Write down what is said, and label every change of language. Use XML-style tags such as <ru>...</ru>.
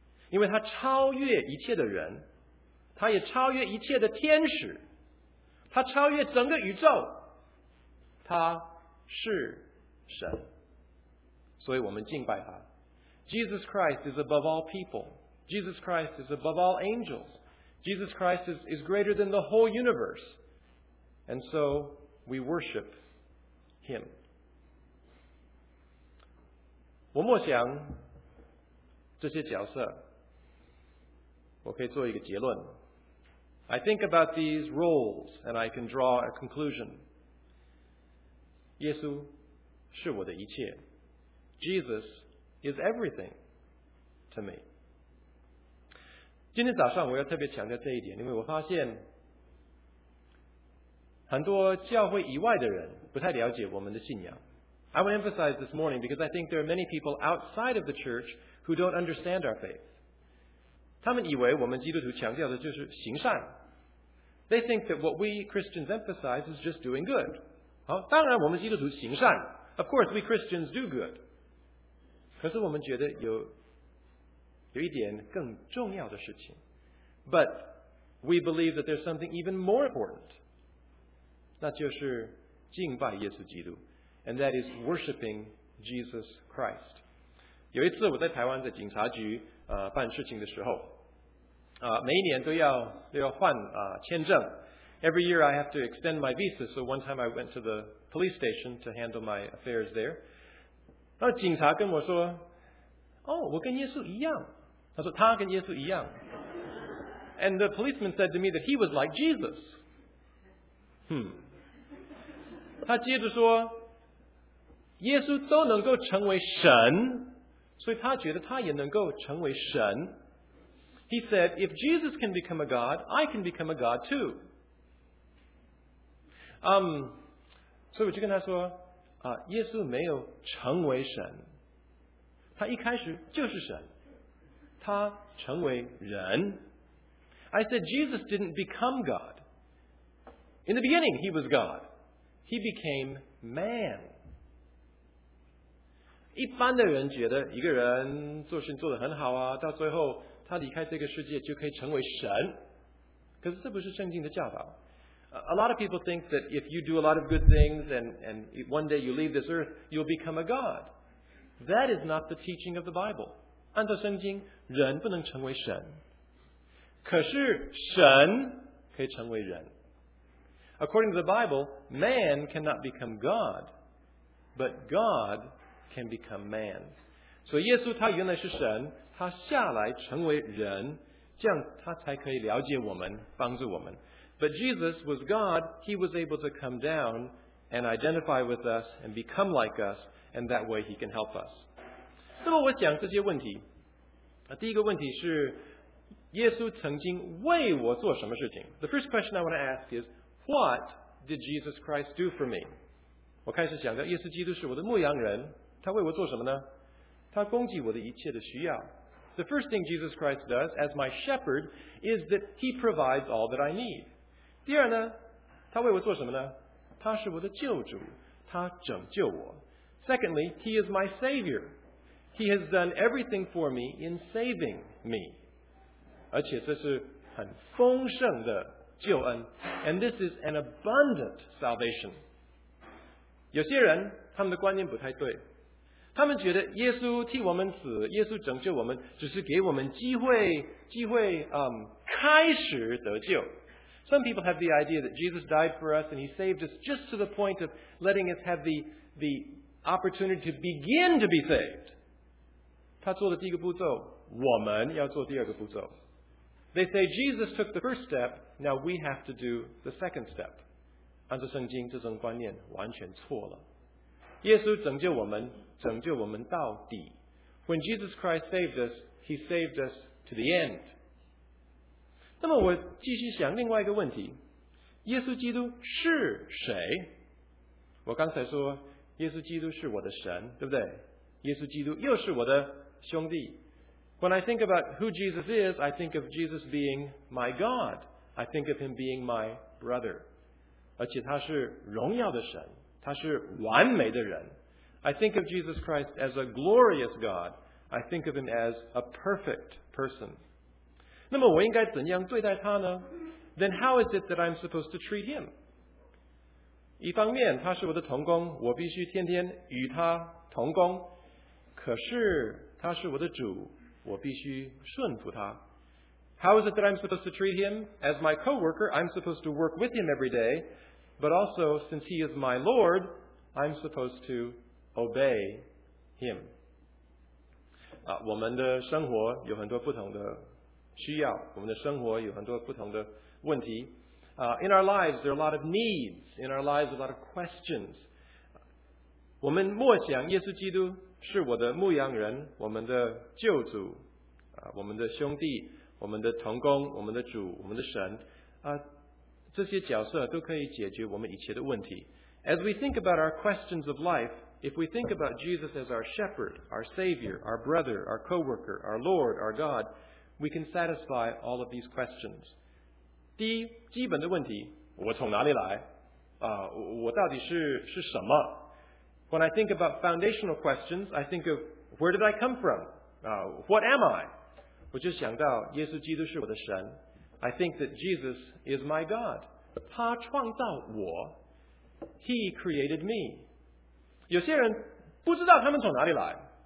<zh>因为他超越一切的人，他也超越一切的天使。他超越整个宇宙，他是神，所以我们敬拜他。</zh> <en>Jesus Christ is above all people. Jesus Christ is above all angels. Jesus Christ is greater than the whole universe. And so we worship him.</en> <zh>我默想这些角色，我可以做一个结论。</zh> <en>I think about these roles and I can draw a conclusion.</en> <zh>耶稣是我的一切。</zh> <en>Jesus is everything to me.</en> <zh>今天早上我要特别强调这一点，因为我发现很多教会以外的人不太了解我们的信仰。</zh> <en>I want to emphasize this morning because I think there are many people outside of the church who don't understand our faith.</en> <zh>他们以为我们基督徒强调的就是行善。</zh> <en>They think that what we Christians emphasize is just doing good.</en> <zh>好，当然我们基督徒行善。</zh> <en>Of course, we Christians do good.</en> <zh>可是我们觉得有一点更重要的事情。</zh> <en>But we believe that there's something even more important.</en> <zh>那就是敬拜耶稣基督。</zh> <en>And that is worshiping Jesus Christ.</en> <zh>有一次我在台湾的警察局办事情的时候，每一年都要换签证。</zh> <en>Every year I have to extend my visa, so one time I went to the police station to handle my affairs there.</en> <zh>那警察跟我说，哦，我跟耶稣一样。他说他跟耶稣一样。</zh> <en>And the policeman said to me that he was like Jesus.</en> <zh>他接着说，耶稣都能够成为神，所以他觉得他也能够成为神。</zh> <en>He said, if Jesus can become a God, I can become a God too.</en> <zh>所以我就跟他说，耶稣没有成为神，他一开始就是神，他成为人。</zh> <en>I said, Jesus didn't become God. In the beginning, he was God. He became man.</en> <zh>一般的人觉得一个人做事做得很好啊，到最后他离开这个世界就可以成为神，可是这不是圣经的教导。</zh> <en>A lot of people think that if you do a lot of good things and one day you leave this earth, you'll become a god. That is not the teaching of the Bible.</en> <zh>按照圣经，人不能成为神，可是神可以成为人。</zh> <en>According to the Bible, man cannot become God, but God can become man.</en> <zh>所以耶稣他原来是神。他下来成为人，这样他才可以了解我们，帮助我们。</zh> <en>But Jesus was God, he was able to come down and identify with us and become like us, and that way he can help us.</en> <zh>那么我想这些问题，第一个问题是，耶稣曾经为我做什么事情？</zh> <en>The first question I want to ask is, what did Jesus Christ do for me?</en> <zh>我开始想到耶稣基督是我的牧羊人，他为我做什么呢？他供给我的一切的需要。</zh> <en>The first thing Jesus Christ does as my shepherd is that he provides all that I need.</en> <zh>第二呢，他他为我做什么呢？他是我的救主，他拯救我。</zh> <en>Secondly, he is my savior. He has done everything for me in saving me.</en> <zh>而且这是很丰盛的救恩。</zh> <en>And this is an abundant salvation.</en> <zh>有些人他们的观念不太对，他们觉得耶稣替我们死，耶稣拯救我们，只是给我们机会、开始得救。</zh> <en>Some people have the idea that Jesus died for us and he saved us just to the point of letting us have the opportunity to begin to be saved.</en> <zh>他做了第一个步骤，我们要做第二个步骤。</zh> <en>They say Jesus took the first step, now we have to do the second step.</en> <zh>按照圣经这种观念完全错了。耶稣拯救我们，拯救我们到底。</zh> <en>When Jesus Christ saved us, he saved us to the end.</en> <zh>那么我继续想另外一个问题，耶稣基督是谁？我刚才说耶稣基督是我的神，对不对？耶稣基督又是我的兄弟。</zh> <en>When I think about who Jesus is, I think of Jesus being my God. I think of him being my brother.</en> <zh>而且他是荣耀的神，他是完美的人。</zh> <en>I think of Jesus Christ as a glorious God. I think of him as a perfect person.</en> <zh>那么我应该怎样对待他呢？</zh> <en>Then how is it that I'm supposed to treat him?</en> <zh>一方面他是我的同工，我必须天天与他同工，可是他是我的主，我必须顺服他。</zh> <en>How is it that I'm supposed to treat him? As my co-worker, I'm supposed to work with him every day, but also since he is my Lord, I'm supposed to obey him.</en> <zh>我们的生活有很多不同的需要，我们的生活有很多不同的问题。</zh> <en>In our lives, there are a lot of needs. In our lives, a lot of questions.</en> <zh>我们默想耶稣基督是我的牧羊人，我们的救主，我们的兄弟，我们的同工，我们的主，我们的神。这些角色都可以解决我们一切的问题。</zh> <en>As we think about our questions of life, if we think about Jesus as our shepherd, our savior, our brother, our co-worker, our Lord, our God,We can satisfy all of these questions.</en> <zh>第一，基本的问题，我从哪里来？我到底是什么？</zh> <en>When I think about foundational questions, I think of where did I come from? What am I?</en> <zh>我就想到耶稣基督是我的神。</zh> <en>I think that Jesus is my God.</en> <zh>他创造我。</zh> <en>He created me.</en> <zh>有些人不知道他们从哪里来。</zh>